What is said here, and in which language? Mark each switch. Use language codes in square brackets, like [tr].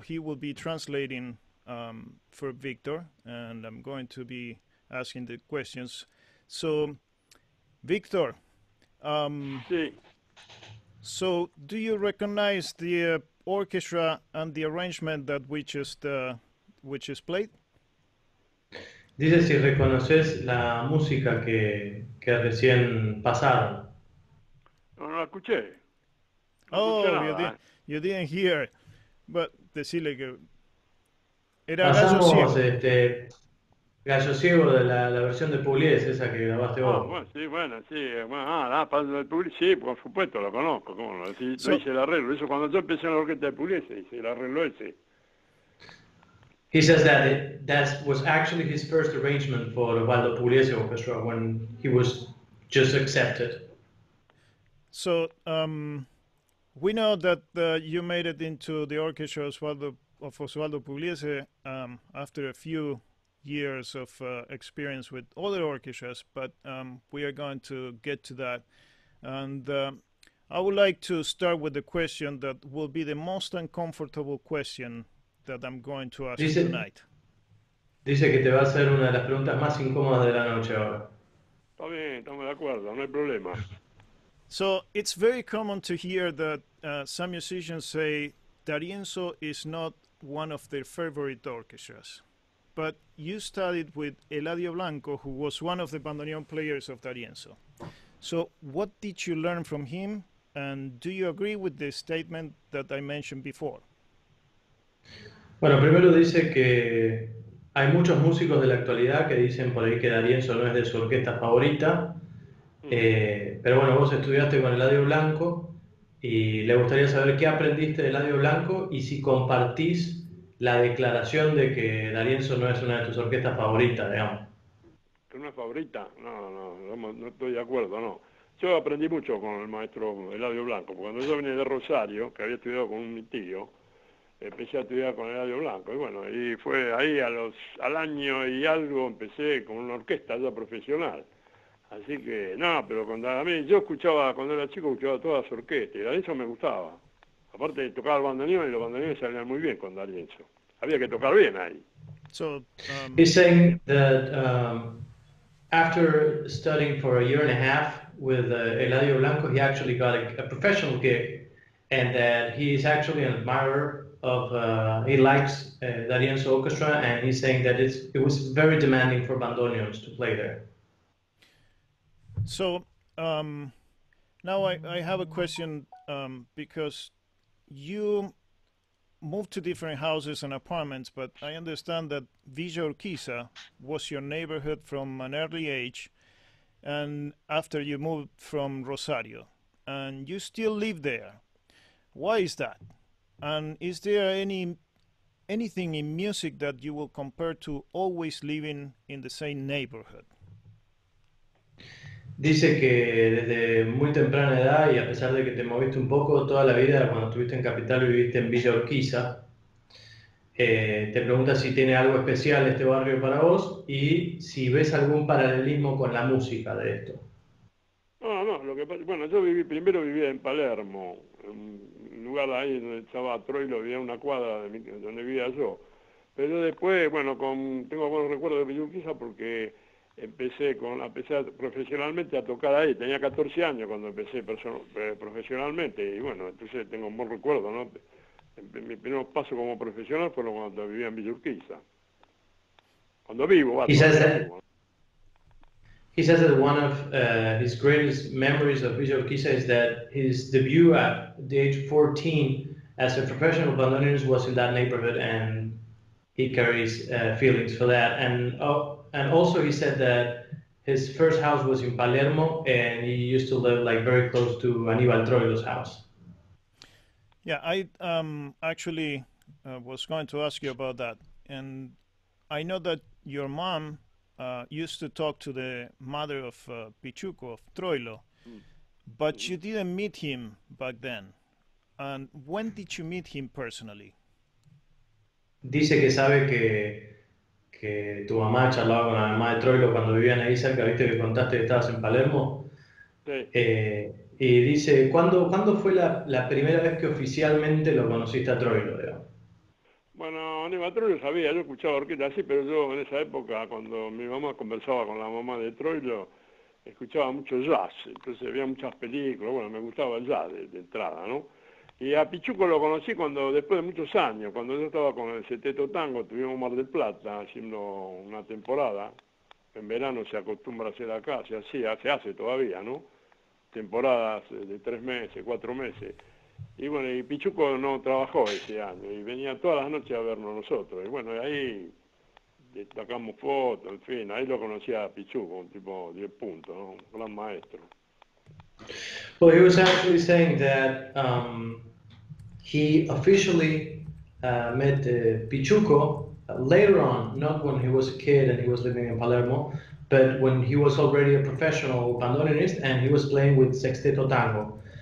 [en] He will be translating for Victor, and I'm going to be asking the questions. So, Victor. So do you recognize the orchestra and the arrangement that we just played? [es] Dice si reconoces la música que recién pasaron. No la escuché. [en] You didn't hear. But [es] decirle que era Gallo Ciego. Pasamos Gallo Ciego de la versión de Pugliese, esa que grabaste vos. Sí, por supuesto, la conozco, cómo no. Sí, hice el arreglo. Eso cuando yo empecé en la orquesta de Pugliese, hice el arreglo ese. [en] He says that that was actually his first arrangement for the Waldo Pugliese Orchestra when he was just accepted. So, we know that you made it into the orchestra of Osvaldo Pugliese after a few years of experience with other orchestras, but we are going to get to that. And I would like to start with the question that will be the most uncomfortable question that I'm going to ask you tonight. [es] Dice que te va a hacer una de las preguntas más incómodas de la noche ahora. Está bien, estamos de acuerdo, no hay problema. [en] So, it's very common to hear that some musicians say D'Arienzo is not one of their favorite orchestras. But you studied with Eladio Blanco, who was one of the bandoneon players of D'Arienzo. So, what did you learn from him? And do you agree with the statement that I mentioned before? [es] Bueno, primero dice que hay muchos músicos de la actualidad que dicen por ahí que D'Arienzo no es de su orquesta favorita. Pero bueno, vos estudiaste con Eladio Blanco y le gustaría saber qué aprendiste de Eladio Blanco y si compartís la declaración de que D'Arienzo no es una de tus orquestas favoritas, digamos. ¿Una favorita? No estoy de acuerdo, no. Yo aprendí mucho con el maestro Eladio Blanco, porque cuando yo vine de Rosario, que había estudiado con mi tío, empecé a estudiar con Eladio Blanco, y bueno, y fue ahí al año y algo empecé con una orquesta ya profesional. Así que, no, pero yo escuchaba, cuando era chico, escuchaba todas las orquestas, y D'Arienzo me gustaba. Aparte, tocaba el bandoneón, y los bandoneones salían muy bien con D'Arienzo. Había que tocar bien ahí. [en] So, he's saying that after studying for a year and a half with Eladio Blanco, he actually got a professional gig, and that he is actually an admirer of he likes D'Arienzo Orchestra, and he's saying that it was very demanding for bandoneons to play there. So now I have a question because you moved to different houses and apartments, but I understand that Villa Urquiza was your neighborhood from an early age, and after you moved from Rosario, and you still live there. Why is that? And is there anything in music that you will compare to always living in the same neighborhood? [es] Dice que desde muy temprana edad, y a pesar de que te moviste un poco toda la vida, cuando estuviste en Capital viviste en Villa Urquiza, te pregunta si tiene algo especial este barrio para vos y si ves algún paralelismo con la música de esto. No, lo que pasa, bueno, yo viví, primero vivía en Palermo, en un lugar ahí donde estaba Troilo, vivía una cuadra de mi, donde vivía yo. Pero después, bueno, tengo buenos recuerdos de Villa Urquiza porque empecé profesionalmente a tocar ahí, tenía 14 años cuando empecé profesionalmente, y bueno, entonces tengo un buen recuerdo, ¿no? Mi primer paso como profesional fue cuando vivía en Villa Urquiza. Cuando vivo, va. [en] He says that one of his greatest memories of Villa Urquiza is that his debut at the age 14 as a professional bandoneonist was in that neighborhood, and he carries feelings for that. And also he said that his first house was in Palermo, and he used to live like very close to Aníbal Troilo's house. Yeah, I actually was going to ask you about that. And I know that your mom used to talk to the mother of Pichuco, of Troilo, but you didn't meet him back then. And when did you meet him personally? [es] Dice que sabe que tu mamá charlaba con la mamá de Troilo cuando vivían ahí cerca, viste que contaste que estabas en Palermo. Sí. Y dice, ¿cuándo fue la primera vez que oficialmente lo conociste a Troilo? Bueno, Aníbal Troilo sabía, yo escuchaba orquesta así, pero yo en esa época, cuando mi mamá conversaba con la mamá de Troilo, escuchaba mucho jazz, entonces había muchas películas, bueno, me gustaba el jazz de entrada, ¿no? Y a Pichuco lo conocí cuando, después de muchos años, cuando yo estaba con el seteto Tango, tuvimos Mar del Plata haciendo una temporada. En verano se acostumbra a hacer acá, se hace todavía, ¿no? Temporadas de 3 meses, 4 meses. Y bueno, y Pichuco no trabajó ese año y venía todas las noches a vernos nosotros. Y bueno, ahí destacamos fotos, en fin, ahí lo conocí a Pichuco, un tipo 10 puntos, ¿no? Un gran maestro. [en] Well, he was actually saying that he officially met Pichuco later on, not when he was a kid and he was living in Palermo, but when he was already a professional bandoneonist and he was playing with Sexteto Tango.